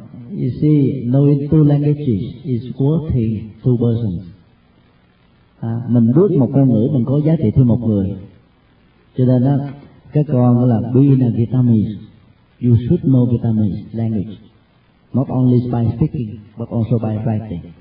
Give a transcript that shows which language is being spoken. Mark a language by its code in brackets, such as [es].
[en] You see, knowing two languages is worth two persons. [vi] Mình biết một ngôn ngữ mình có giá trị thêm một người. Cho nên đó, các con là [en] being a Vietnamese, you should know Vietnamese language, not only by speaking, but also by writing.